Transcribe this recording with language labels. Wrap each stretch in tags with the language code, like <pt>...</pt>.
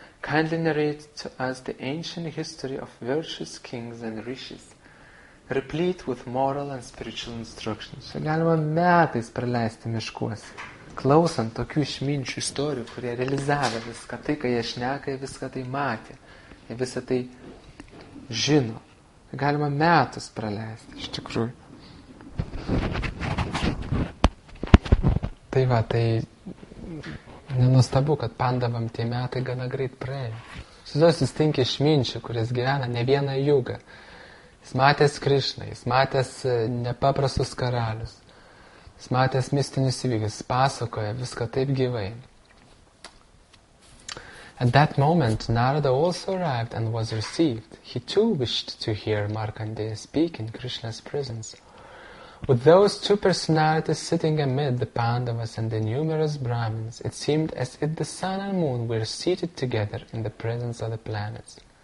<en>Kindly narrate to us the ancient history of virtuous kings and rishis, replete with moral and spiritual instructions."</en> <lt>Galima metais praleisti miškuose, klausant tokių išminčių istorijų, kurie realizavo viską, tai, ką jie šneka, viską tai matė, visą tai žino. Galima metus praleisti, iš tikrųjų. Tai va, tai nenustabu, kad Pandavam tie metai gana greit praėjo. Susidosius tinkė išminčių, kuris gyvena ne vieną jugą. Jis matęs Krišną, jis matęs nepaprastus karalius, jis matęs mistinius įvykius, jis pasakoja viską taip gyvai.</lt> <en>At that moment, Narada also arrived and was received. He too wished to hear Markandeya speak in Krishna's presence. With those two personalities sitting amid the Pandavas and the numerous Brahmins, it seemed as if the sun and moon were seated together in the presence of the planets.</en>